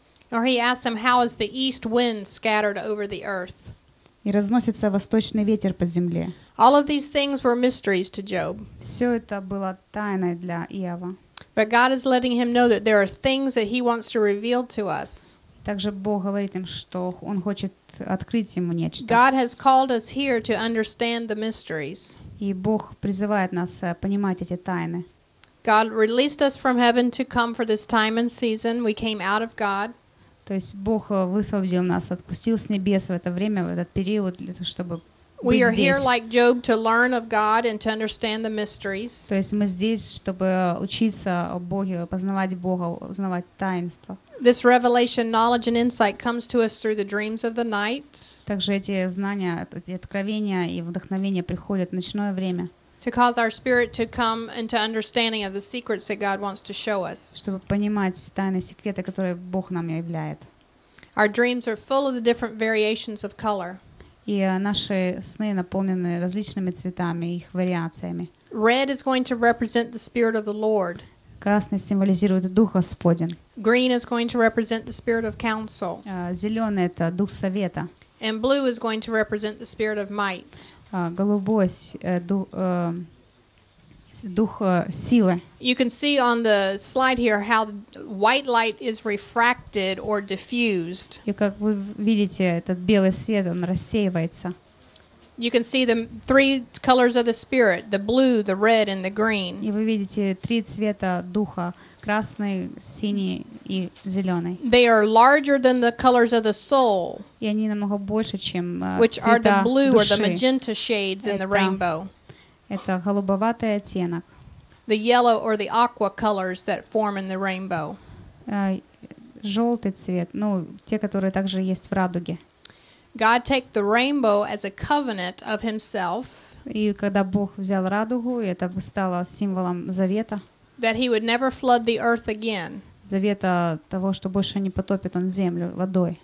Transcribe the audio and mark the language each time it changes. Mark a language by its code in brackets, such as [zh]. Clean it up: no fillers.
[en] Or he asked him, how is the east wind scattered over the earth? [ru] И разносится восточный ветер по земле. [en] All of these things were mysteries to Job. [ru] Все это было тайной для Иова. [en] But God is letting him know that there are things that he wants to reveal to us. [ru] Также Бог говорит им, что он хочет открыть ему нечто. [en] God has called us here to understand the mysteries. [ru] И Бог призывает нас понимать эти тайны. [en] God released us from heaven to come for this time and season. We came out of God. [ru] То есть Бог высвободил нас, отпустил с небес в это время, в этот период, для того, чтобы [en] We are [ru] здесь. [en] Here like Job to learn of God and to understand the mysteries. [ru] То есть мы здесь, чтобы учиться о Боге, познавать Бога, узнавать таинства. [en] This revelation, knowledge and insight comes to us through the dreams of the night. [ru] Также эти знания, эти откровения и вдохновения приходят в ночное время. [en] To cause our spirit to come into understanding of the secrets that God wants to show us. [ru] Чтобы понимать тайные секреты, которые Бог нам являет. [en] Our dreams are full of the different variations of color. [ru] И наши сны наполнены различными цветами, их вариациями. [en] Red is going to represent the spirit of the Lord. [ru] Красный символизирует Дух Господень. [en] Green is going to represent the spirit of counsel. [ru] Зелёный — это Дух Совета. [en] And blue is going to represent the spirit of might. [ru] Голубой — дух силы. [en] You can see on the slide here how white light is refracted or diffused. [ru] И как вы видите, этот белый свет, он рассеивается. [en] You can see the three colors of the spirit, the blue, the red, and the green. [ru] И вы видите три цвета духа: красный, синий и зелёный. [en] They are larger than the colors of the soul. [ru] И они намного больше, чем цвета души. [en] Which are the blue [ru] души. [en] Or the magenta shades in the rainbow. [ru] Это голубоватый оттенок. [en] The yellow or the aqua colors that form in the rainbow. [ru] Жёлтый цвет, ну, те, которые также есть в радуге. [en] God take the rainbow as a covenant of himself. [ru] И когда Бог взял радугу, это стало символом завета. [en] That he would never flood the earth again. [ru] Завета того, что больше не потопит он землю водой.